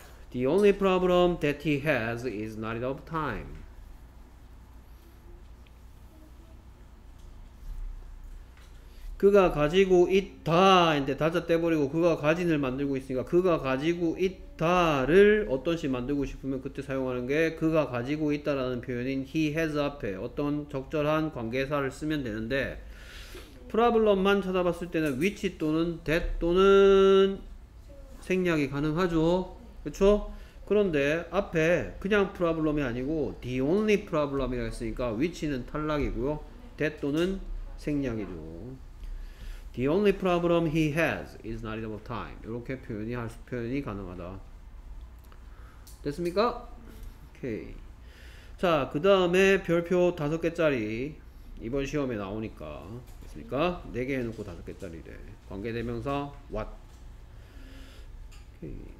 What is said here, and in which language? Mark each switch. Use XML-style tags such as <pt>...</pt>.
<en>The only problem that he has is not enough time.</en> <ko>그가 가지고 있다인데 다자 떼버리고 그가 가진을 만들고 있으니까 그가 가지고 있다를 어떤 식 만들고 싶으면 그때 사용하는 게 그가 가지고 있다라는 표현인</ko> <en>he has</en> <ko>앞에 어떤 적절한 관계사를 쓰면 되는데 problem만 찾아봤을 때는 which 또는 that 또는 생략이 가능하죠. 그렇죠? 그런데 앞에 그냥 problem이 아니고</ko> <en>the only problem</en> <ko>이라고 했으니까 which는 탈락이고요. that 또는 생략이죠.</ko> <en>The only problem he has is not enough time.</en> <ko>이렇게 표현이 가능하다. 됐습니까? 오케이. 자, 그 다음에 별표 5개짜리 이번 시험에 나오니까. 그러니까 4개 해놓고 5개짜리래. 관계대명사 what? 오케이.</ko>